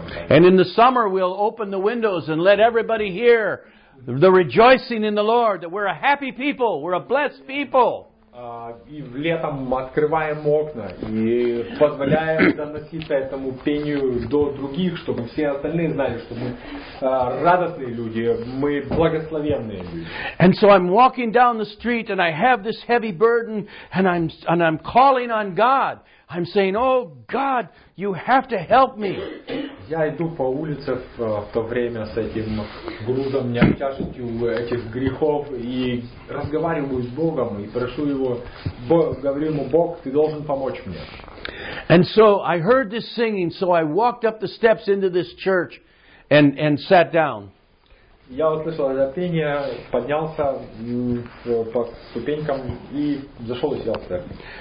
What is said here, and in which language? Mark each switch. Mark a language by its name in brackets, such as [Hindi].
[English] And in the summer, we'll open the windows and let everybody hear the rejoicing in the Lord, that we're a happy people, we're a blessed people. [Russian] И летом открываем окна и позволяем доноситься этому пению до других, чтобы все остальные знали, что мы радостные люди, мы благословенные люди. [English] And so I'm walking down the street and I have this heavy burden and I'm calling on God. I'm saying, oh God, you have to help me. [Russian] Я иду по улице в то время с этим грузом, тяжестью этих грехов и разговариваю с Богом и прошу Его, говорю Ему, Бог, Ты должен помочь мне. [English] And so I heard this singing, so I walked up the steps into this church and sat down. [Russian] Я услышал это пение, поднялся по ступенькам и зашел и сел в церковь.